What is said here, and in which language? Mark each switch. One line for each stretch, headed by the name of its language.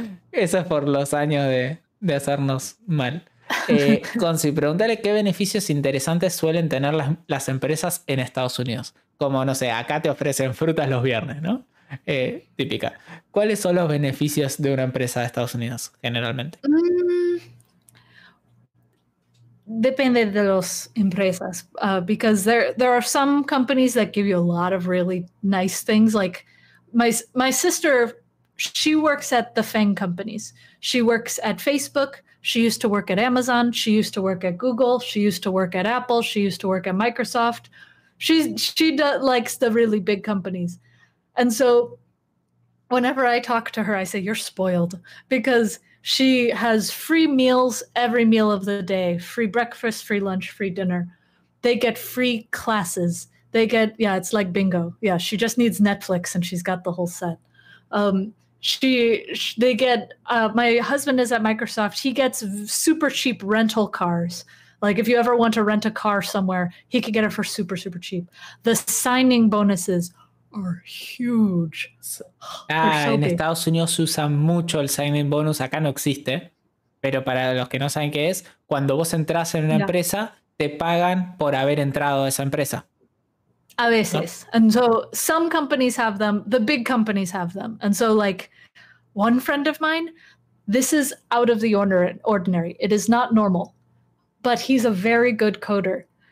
Spanish: Eso es por los años de hacernos mal. Consi, pregúntale qué beneficios interesantes suelen tener las empresas en Estados Unidos. Como, no sé, acá te ofrecen frutas los viernes, ¿no? Típica. ¿Cuáles son los beneficios de una empresa de Estados Unidos generalmente? Depende de las empresas,
English: because there are some companies that give you a lot of really nice things. Like my sister, she works at the FANG companies. She works at Facebook. She used to work at Amazon. She used to work at Google. She used to work at Apple. She used to work at Microsoft. She likes the really big companies. And so whenever I talk to her, I say, you're spoiled, because she has free meals every meal of the day, free breakfast, free lunch, free dinner. They get free classes. They get, it's like bingo. Yeah, she just needs Netflix and she's got the whole set. My husband is at Microsoft. He gets super cheap rental cars. Like if you ever want to rent a car somewhere, he could get it for super, super cheap. The signing bonuses are huge.
Spanish: En Estados Unidos se usa mucho el signing bonus. Acá no existe, pero para los que no saben qué es, cuando vos entras en una empresa, te pagan por haber entrado a esa empresa. A veces. No?
English: And so some companies have them, the big companies have them. And so like one friend of mine, this is out of the ordinary. It is not normal, but he's a very good coder.